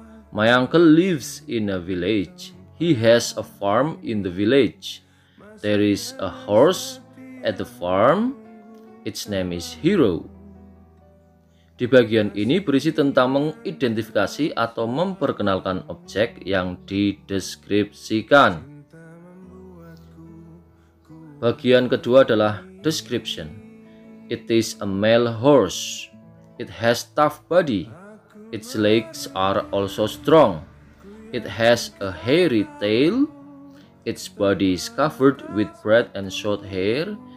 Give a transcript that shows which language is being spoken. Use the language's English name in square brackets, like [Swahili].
[English] My uncle lives in a village. He has a farm in the village. There is a horse at the farm. Its name is Hero. [Indonesian] Di bagian ini berisi tentang mengidentifikasi atau memperkenalkan objek yang dideskripsikan. Bagian kedua adalah description. [English] It is a male horse. It has tough body. Its legs are also strong. It has a hairy tail. Its body is covered with bright and short hair.